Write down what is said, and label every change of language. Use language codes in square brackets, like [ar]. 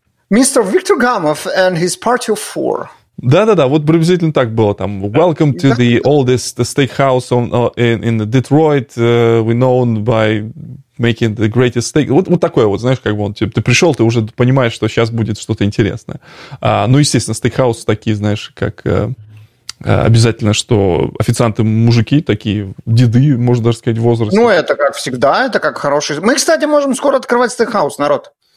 [ru] Мистер Виктор Гамов и его партия 4. Да-да-да, вот приблизительно так было там. [en] Welcome to the oldest steakhouse in Detroit. We known by making the greatest steak. [ru] Вот такое вот, знаешь, как бы он, типа, ты пришел, ты уже понимаешь, что сейчас будет что-то интересное. Ну, естественно, стейкхаусы такие, знаешь, как обязательно, что официанты мужики такие, деды, можно даже сказать, возраст. Ну, это как всегда, это как хороший... Мы, кстати, можем скоро открывать стейкхаус, народ.